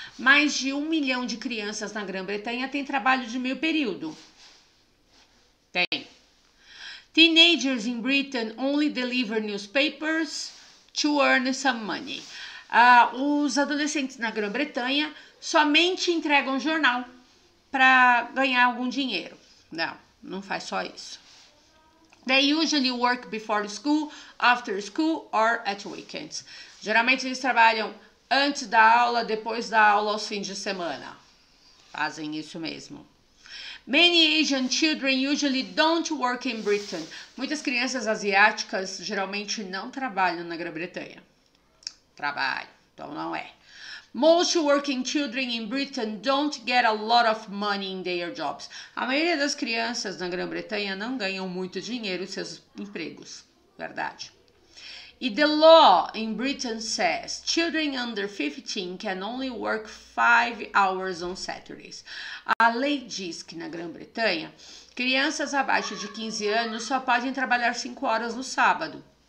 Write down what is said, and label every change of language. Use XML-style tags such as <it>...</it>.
<pt>Mais de 1 milhão de crianças na Grã-Bretanha têm trabalho de meio período. Tem.</pt> <en>Teenagers in Britain only deliver newspapers to earn some money.</en> <pt>Os adolescentes na Grã-Bretanha somente entregam jornal para ganhar algum dinheiro. Não, não faz só isso.</pt> <en>They usually work before school, after school or at weekends.</en> <pt>Geralmente eles trabalham antes da aula, depois da aula, aos fins de semana. Fazem isso mesmo.</pt> <en>Many Asian children usually don't work in Britain.</en> <pt>Muitas crianças asiáticas geralmente não trabalham na Grã-Bretanha. Trabalham, então não é.</pt> <en>Most working children in Britain don't get a lot of money in their jobs.</en> <pt>A maioria das crianças na Grã-Bretanha não ganham muito dinheiro em seus empregos, verdade?</pt> <en>E the law in Britain says children under 15 can only work 5 hours on Saturdays.</en> <pt>A lei diz que na Grã-Bretanha, crianças abaixo de 15 anos só podem trabalhar 5 horas no sábado.</pt>